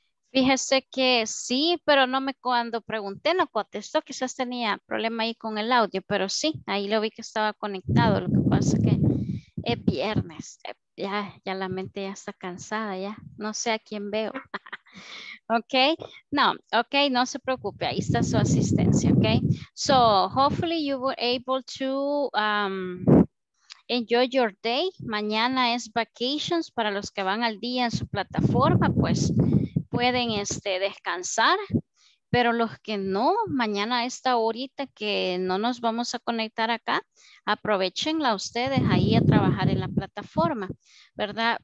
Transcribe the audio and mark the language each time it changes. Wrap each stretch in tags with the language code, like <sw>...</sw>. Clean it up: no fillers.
<es>Fíjese que sí, pero no me, cuando pregunté, no contestó. Quizás tenía problema ahí con el audio, pero sí, ahí lo vi que estaba conectado. Lo que pasa es que es viernes. Ya la mente ya está cansada, ya. No sé a quién veo. Okay, no, okay, no se preocupe, ahí está su asistencia, okay?</es> <en>So, hopefully you were able to enjoy your day.</en> <es>Mañana es vacations para los que van al día en su plataforma, pues pueden descansar. Pero los que no, mañana a esta horita que no nos vamos a conectar acá, aprovechenla ustedes ahí a trabajar en la plataforma, ¿verdad?</es>